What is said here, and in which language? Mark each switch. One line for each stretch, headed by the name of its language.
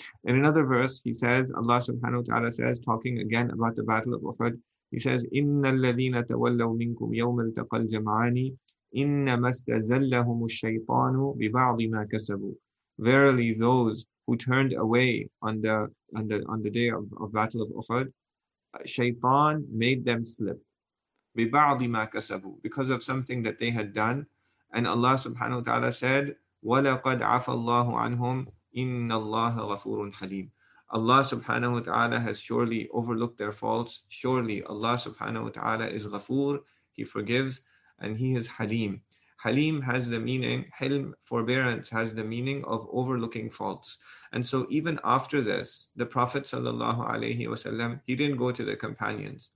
English: In another verse, he says, Allah subhanahu wa ta'ala says, talking again about the battle of Uhud, he says,
Arabic: إِنَّ الَّذِينَ تَوَلَّوْا مِنْكُمْ يَوْمَ الْتَقَى الْجَمْعَانِ إِنَّمَا اسْتَزَلَّهُمُ الشَّيْطَانُ بِبَعْضِ مَا كَسَبُوا.
English: Verily, those who turned away on the day of battle of Uhud, Shaytan made them slip.
Arabic: بِبَعْضِ مَا كَسَبُوا,
English: because of something that they had done. And Allah subhanahu wa ta'ala said,
Arabic: وَلَقَدْ عَفَى اللَّهُ عَنْهُمْ إِنَّ اللَّهَ غَفُورٌ حَلِيمٌ.
English: Allah subhanahu wa ta'ala has surely overlooked their faults. Surely Allah subhanahu wa ta'ala is ghafoor, he forgives, and he is haleem. Haleem has the meaning, hilm, forbearance, has the meaning of overlooking faults. And so even after this, the Prophet sallallahu alayhi wa sallam, he didn't go to the companions.